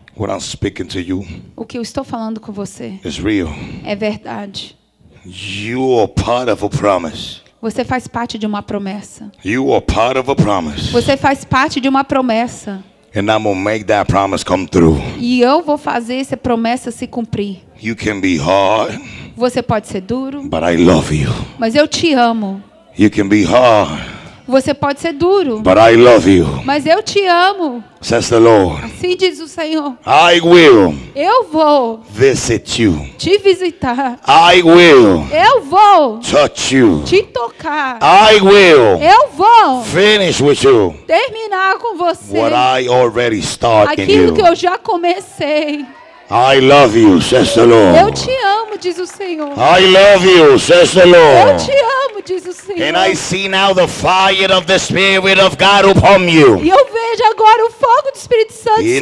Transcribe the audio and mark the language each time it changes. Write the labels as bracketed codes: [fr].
[en] What I'm speaking to you. [pt] O que eu estou falando com você. [en] Is real. [pt] É verdade. [en] You are part of a promise. [pt] Você faz parte de uma promessa. [en] You are part of a promise. [pt] Você faz parte de uma promessa. [en] And I'm gonna make that promise come through. [pt] E eu vou fazer essa promessa se cumprir. [en] You can be hard. [pt] Você pode ser duro. [en] But I love you. [pt] Mas eu te amo. [en] You can be hard. [pt] Você pode ser duro. [en] But I love you. [pt] Mas eu te amo. [en] Says the Lord. [pt] Assim diz o Senhor. [en] I will. [pt] Eu vou. [en] Visit you. [pt] Te visitar. [en] I will. [pt] Eu vou. [en] Touch you. [pt] Te tocar. [en] I will. [pt] Eu vou. [en] Finish with you. [pt] Terminar com você. [en] What I already started. [pt] Aquilo que eu já comecei. [en] I love you, says the Lord. [pt] Eu te amo, diz o Senhor. [en] I love you, says the Lord. [pt] Eu te amo, diz o Senhor. [en] And I see now the fire of the Spirit of God upon you. [pt] E eu vejo agora o fogo do Espírito Santo sobre ti.